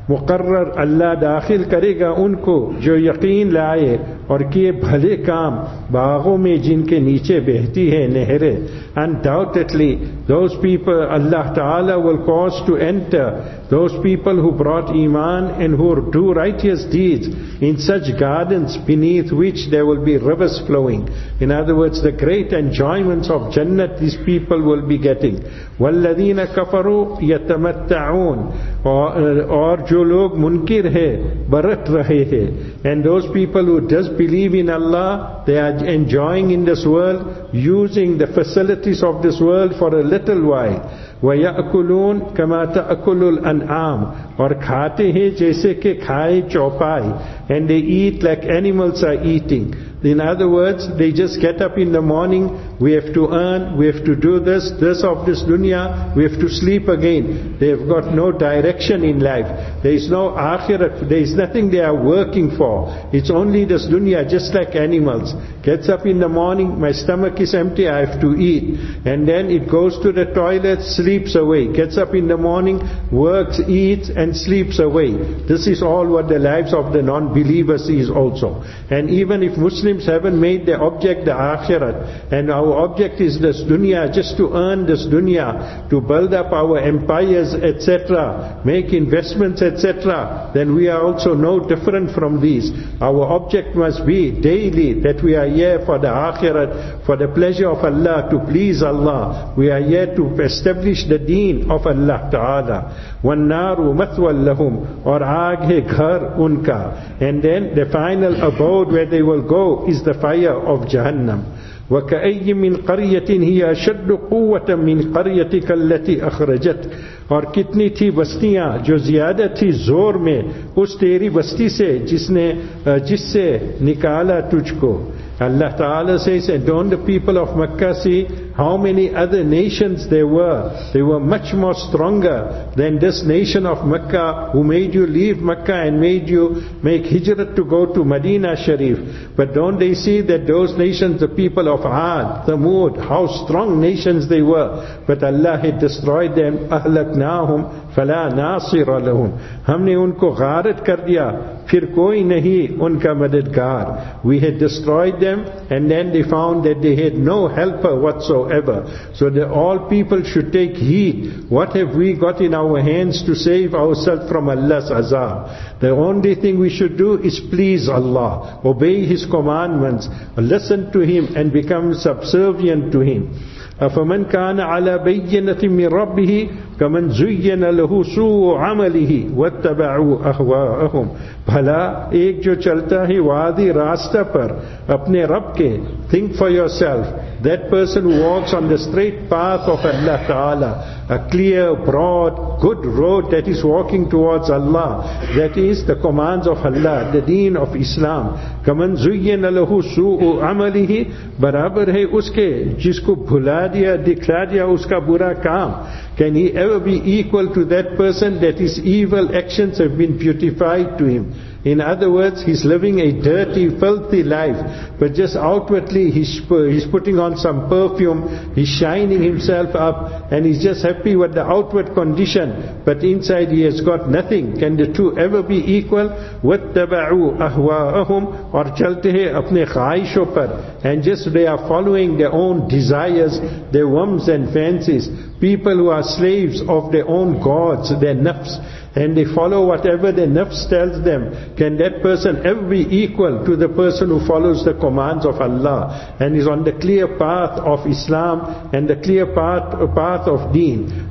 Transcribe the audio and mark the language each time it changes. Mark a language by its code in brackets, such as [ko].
[ur] مقرر اللہ داخل کرے گا ان کو جو یقین لائے اور کیے بھلے کام باغوں میں جن کے نیچے بہتی ہے نہریں. [en] Undoubtedly, those people Allah Ta'ala will cause to enter, those people who brought iman and who do righteous deeds, in such gardens beneath which there will be rivers flowing. In other words, the great enjoyments of Jannah these people will be getting. [ar] وَالَّذِينَ كَفَرُوا يَتَمَتَّعُونَ [ur] اور جو لوگ منکر ہے برت رہے ہے. [en] And those people who just believe in Allah, they are enjoying in this world, using the facilities of this world for a little while. [ar] وَيَأْكُلُونَ كَمَا تَأْكُلُ الْأَنْعَامُ [ur] اور کھاتے ہیں جیسے کہ کھائے چوپائے. [en] And they eat like animals are eating. In other words, they just get up in the morning, we have to earn, we have to do this of this dunya, we have to sleep again. They've got no direction in life. There is no akhirat, there is nothing they are working for. It's only this dunya, just like animals. Gets up in the morning, my stomach is empty, I have to eat. And then it goes to the toilet, sleeps away. Gets up in the morning, works, eats, and sleeps away. This is all what the lives of the non-believers is also. And even if Muslims haven't made their object the akhirat, and our object is this dunya, just to earn this dunya, to build up our empires, etc., make investments, etc., then we are also no different from these. Our object must be daily that we are here for the akhirat, for the pleasure of Allah, to please Allah. We are here to establish the deen of Allah Ta'ala. [ar] وَالنَّارُ مَثْوًا لَهُمْ [ur] اور آگ ہے گھر ان کا. [en] And then the final abode where they will go is the fire of Jahannam. [ar] وَكَأَيِّ مِنْ قَرْيَةٍ هِيَ أَشَدُّ قُوَّةً مِنْ قَرْيَتِكَ الَّتِي أَخْرَجَتْ [ur] اور کتنی تھی بستیاں جو زیادہ تھی زور میں اس تیری بستی سے جس سے نکالا تجھ کو. اللہ تعالیٰ [en] says, don't the people of Makkah see how many other nations there were. They were much more stronger than this nation of Mecca, who made you leave Mecca and made you make hijrah to go to Medina Sharif. But don't they see that those nations, the people of Aad, Thamud, how strong nations they were. But Allah had destroyed them. [ar] أَهْلَكْنَاهُمْ فَلَا نَاصِرَ لَهُمْ [ur] ہم نے ان کو غارت کر دیا پھر کوئی نہیں ان کا مددگار. [en] We had destroyed them and then they found that they had no helper whatsoever. So that all people should take heed. What have we got in our hands to save ourselves from Allah's azab? The only thing we should do is please Allah, obey His commandments, listen to Him and become subservient to Him. [ar] أَفَمَنْ كَانَ عَلَى بَيِّنَةٍ مِّن رَبِّهِ كَمَنْ زُيِّنَ لَهُ سُوءُ عَمَلِهِ وَاتَّبَعُوا أَهْوَاءَهُمْ [ur] بھلا ایک جو چلتا ہے واضح راستہ پر اپنے رب کے. [en] Think for yourself, that person who walks on the straight path of Allah Ta'ala, a clear, broad, good road that is walking towards Allah, that is the commands of Allah, the deen of Islam. [ar] كَمَنْ زُيِّنَ لَهُ سُوءُ عَمَلِهِ [ur] برابر ہے اس کے جس کو بھلا دیا دکھلا دیا اس کا برا کام. [en] Can he ever be equal to that person that his evil actions have been beautified to him? In other words, he's living a dirty, filthy life, but just outwardly he's putting on some perfume, he's shining himself up, and he's just happy with the outward condition, but inside he has got nothing. Can the two ever be equal? [ar] وَاتَّبَعُوا أَهْوَاءَهُمْ [ur] اور چلتے ہیں اپنے خواہشوں پر. [en] And just they are following their own desires, their whims and fancies. People who are slaves of their own gods, their nafs, and they follow whatever their nafs tells them. Can that person ever be equal to the person who follows the commands of Allah and is on the clear path of Islam and the clear path of deen?